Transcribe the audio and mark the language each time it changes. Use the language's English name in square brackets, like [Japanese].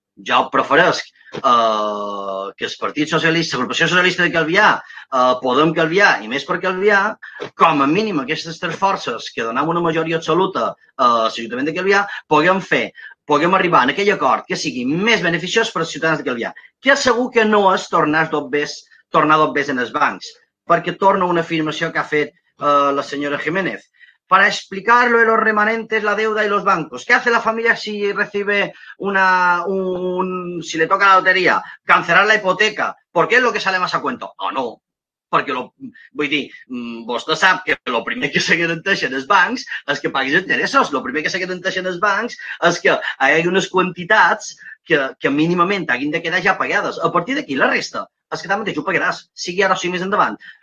[Catalan] Jo preferesc que el Partit Socialista, la Agrupació Socialista de Calvià, Podem Calvià, i més per Calvià, com a mínim aquestes tres forces que donem una majoria absoluta a l'Ajuntament de Calvià, puguem arribar en aquell acord que sigui més beneficiós per als ciutadans de Calvià. Que segur que no és tornar dobbers en els bancs, perquè torna una afirmació que ha fet la senyora Jiménez. [Spanish] Para explicarlo de los remanentes, la deuda y los bancos. ¿Qué hace la familia si recibe si le toca la lotería? Cancelar la hipoteca. ¿Por qué es lo que sale más a cuento? ¿O no? [Catalan] Perquè, vull dir, vostè sap que el primer que se garanteixen els bancs és que paguis interessos. El primer que se garanteixen els bancs és que hi hagi unes quantitats que mínimament hagin de quedar ja pagades. A partir d'aquí, la resta, és que tampoc ho pagaràs, sigui ara o sigui més endavant.